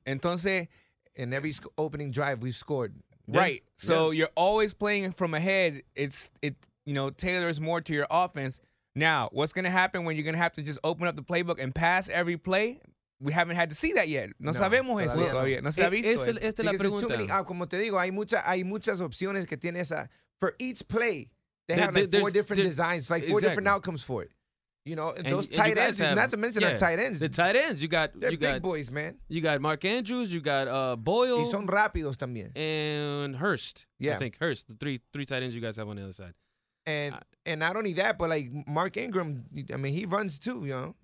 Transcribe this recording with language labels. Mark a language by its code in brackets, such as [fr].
[es] Entonces... [en] In every opening drive, we've scored. Yeah. Right. So you're always playing from ahead. You know, tailors more to your offense. Now, what's going to happen when you're going to have to just open up the playbook and pass every play? We haven't had to see that yet. No, [es] no sabemos eso todavía. Todavía. No se ha visto eso. Esta es la pregunta. Many, como te digo, hay muchas opciones que tiene esa. [en] For each play, they have four different designs, four different outcomes for it. You know, and those tight ends, not to mention the tight ends. You got big boys, man. You got Mark Andrews. You got Boyle. [es] Y son rápidos también. [en] And Hurst. Yeah. I think Hurst, the three tight ends you guys have on the other side. And not only that, but like Mark Ingram, I mean, he runs too, you know.